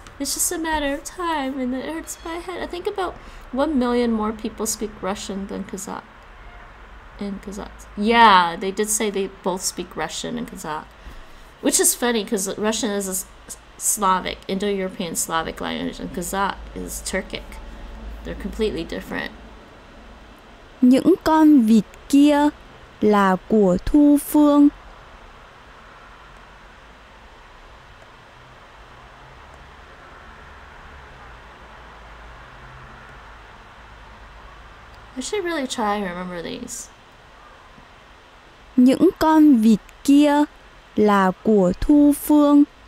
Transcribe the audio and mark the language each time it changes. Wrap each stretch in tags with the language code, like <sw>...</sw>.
<en>It's just a matter of time, and it hurts my head. I think about 1 million more people speak Russian than Kazakh. In Kazakh. Yeah, they did say they both speak Russian in Kazakh. Which is funny, because Russian is a Slavic, Indo-European Slavic language, and Kazakh is Turkic. They're completely different.</en> <vi>Những con vịt kia là của Thu Phương.</vi> <en>I should really try and remember these.</en> <vi>Những con vịt kia là của Thu Phương.</vi>